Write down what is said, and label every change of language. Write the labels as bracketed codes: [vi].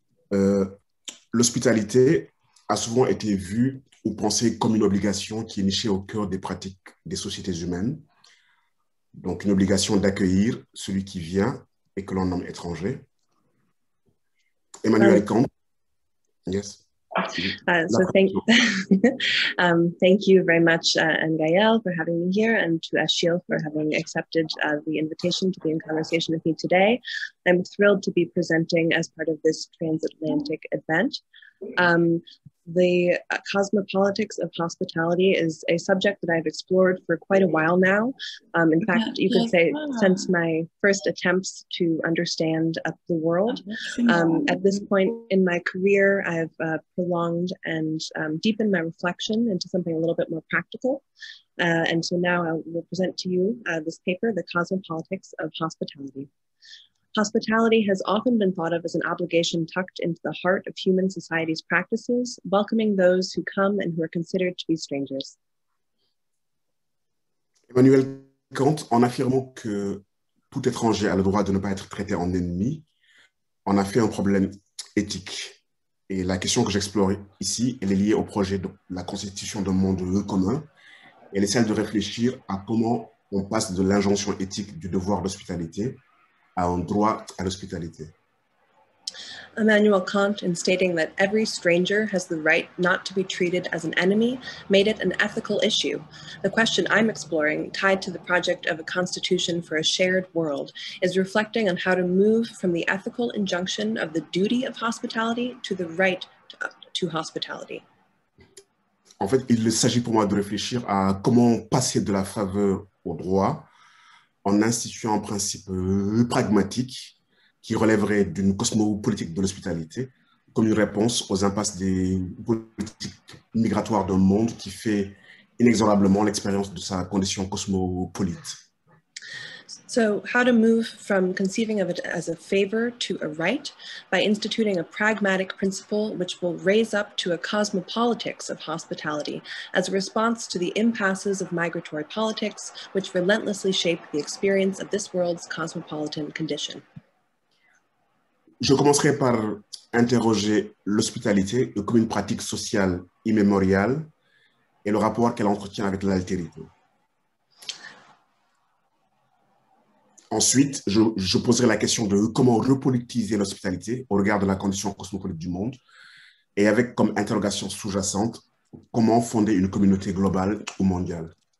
[fr] L'hospitalité a souvent été vue ou penser comme une obligation qui est nichée au cœur des pratiques des sociétés humaines, donc une obligation d'accueillir celui qui vient et que l'on nomme étranger. [en] Emmanuel Kant, yes. Thank you very much, Anne-Gaëlle, for having me here, and to Achille for having accepted the invitation to be in conversation with me today. I'm thrilled to be presenting as part of this transatlantic event. The Cosmopolitics of Hospitality is a subject that I've explored for quite a while now. In fact, you could say since my first attempts to understand the world. At this point in my career, I've prolonged and deepened my reflection into something a little bit more practical. And so now I will present to you this paper, The Cosmopolitics of Hospitality. Hospitality has often been thought of as an obligation tucked into the heart of human society's practices, welcoming those who come and who are considered to be strangers. [fr] Emmanuel Kant, en affirmant que tout étranger a le droit de ne pas être traité en ennemi, en a fait un problème éthique. Et la question que j'explore ici, elle est liée au projet de la constitution d'un monde commun. Elle est celle de réfléchir à comment on passe de l'injonction éthique du devoir d'hospitalité à un droit à l'hospitalité. [en] Immanuel Kant, in stating that every stranger has the right not to be treated as an enemy, made it an ethical issue. The question I'm exploring, tied to the project of a constitution for a shared world, is reflecting on how to move from the ethical injunction of the duty of hospitality to the right to hospitality. [fr] En fait, il s'agit pour moi de réfléchir à comment passer de la faveur au droit en instituant un principe pragmatique qui relèverait d'une cosmopolitique de l'hospitalité comme une réponse aux impasses des politiques migratoires d'un monde qui fait inexorablement l'expérience de sa condition cosmopolite. [en] So how to move from conceiving of it as a favor to a right by instituting a pragmatic principle which will raise up to a cosmopolitics of hospitality as a response to the impasses of migratory politics which relentlessly shape the experience of this world's cosmopolitan condition. [fr] Je commencerai par interroger l'hospitalité comme une pratique sociale immémoriale et le rapport qu'elle entretient avec l'altérité. Ensuite, je poserai la question de comment repolitiser l'hospitalité au regard de la condition cosmopolite du monde et avec comme interrogation sous-jacente, comment fonder une communauté globale ou mondiale.